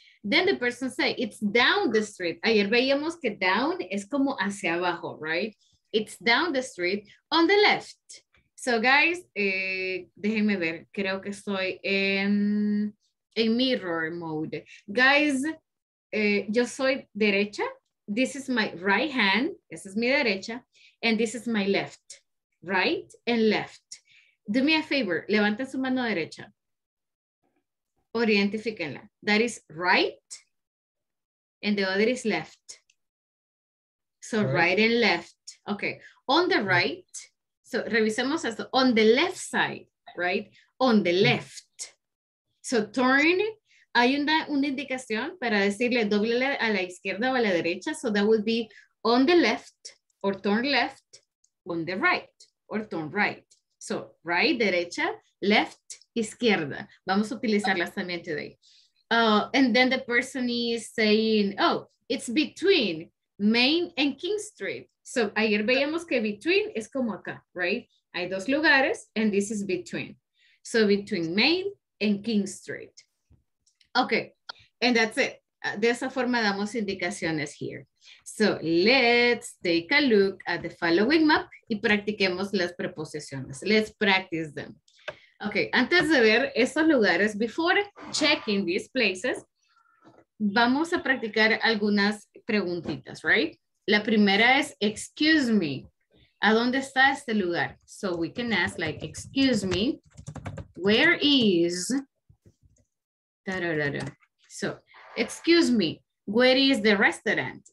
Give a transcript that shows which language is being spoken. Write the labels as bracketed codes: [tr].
[en] Then the person say it's down the street. [es] Ayer veíamos que down es como hacia abajo, right? [en] It's down the street on the left. So guys, [es] déjenme ver, creo que estoy en [en] mirror mode. Guys, [es] yo soy derecha, [en] this is my right hand, [es] esa es mi derecha, [en] and this is my left, right and left. Do me a favor, [es] levanten su mano derecha, o identifíquenla. [en] That is right, and the other is left. So right and left, okay, on the right. So, [es] revisemos esto. [en] On the left side, right? On the left. So, turn. [es] Hay una indicación para decirle doble a la izquierda o a la derecha. [en] So, that would be on the left or turn left. On the right or turn right. So, right, derecha, left, izquierda. [es] Vamos a utilizarlas también [en] today. And then the person is saying, oh, it's between Main and King Street. [es] So, ayer veíamos que between es como acá, right? Hay dos lugares, [en] and this is between. So, between Main and King Street. Okay, and that's it. [es] De esa forma damos indicaciones [en] here. So, let's take a look at the following map [es] y practiquemos las preposiciones. [en] Let's practice them. Okay, [es] antes de ver estos lugares, [en] before checking these places, [es] vamos a practicar algunas preguntitas, [en] right? [es] La primera es, [en] excuse me, [es] ¿a dónde está este lugar? [en] So we can ask like, excuse me, where is, so, excuse me, where is the restaurant?